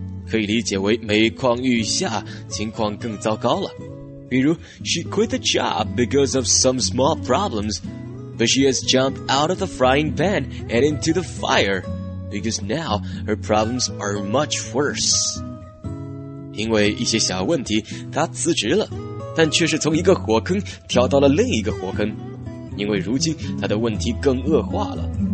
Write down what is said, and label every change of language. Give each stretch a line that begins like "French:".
Chinese: 可以理解为每况愈下情况更糟糕了。比如
English: she quit the job because of some small problems, but she has jumped out of the frying pan and into the fire. Because now her problems are much worse.
Chinese: 因为一些小问题，她辞职了，但却是从一个火坑跳到了另一个火坑。因为如今她的问题更恶化了。